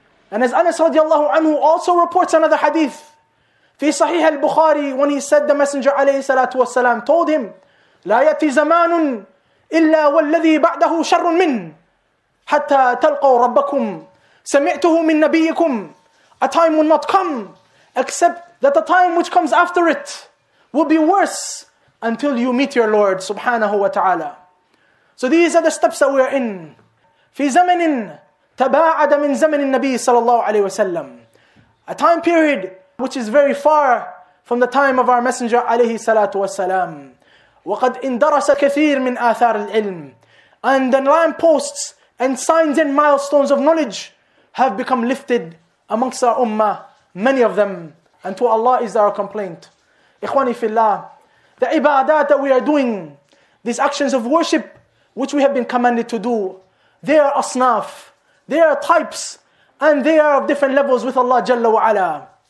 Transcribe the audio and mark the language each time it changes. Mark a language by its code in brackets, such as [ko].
[en] And as Anas radiallahu anhu also reports another hadith, fi sahih al-Bukhari, when he said the Messenger alayhi salatu wasalam told him, [ar] لا يأتي زمان إلا والذي بعده شر من حتى تلقوا ربكم سمعته من نبيكم. [en] A time will not come except that the time which comes after it will be worse until you meet your Lord subhanahu wa ta'ala. So these are the steps that we are in. [ar] في زمن تباعد من زمن النبي صلى الله عليه وسلم. [en] A time period which is very far from the time of our Messenger [ar] عليه الصلاة والسلام. وقد اندرس كثير من آثار العلم. [en] And the lampposts and signs and milestones of knowledge have become lifted amongst our ummah, many of them. And to Allah is our complaint. Ikhwani fillah, the ibadat that we are doing, these actions of worship which we have been commanded to do, they are asnaf, they are types, and they are of different levels with Allah Jalla wa Ala.